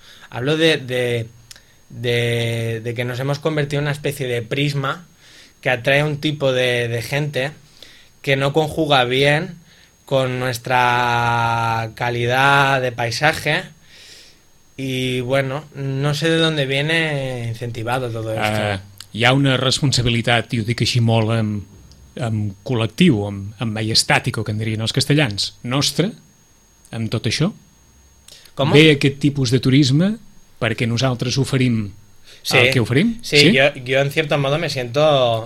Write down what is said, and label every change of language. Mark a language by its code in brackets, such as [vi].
[es] Hablo de que nos hemos convertido en una especie de prisma que atrae un tipo de gente que no conjuga bien con nuestra calidad de paisaje. Y bueno, no sé de dónde viene incentivado todo esto. [ca] Hi ha una responsabilitat, i ho dic així molt amb col·lectiu, amb maiestàtico, que en dirien els castellans, nostre, amb tot això? [es] ¿Cómo? [ca] Ve aquest tipus de turisme perquè nosaltres oferim sí. el que oferim? [es] Sí, jo en cierto modo me siento...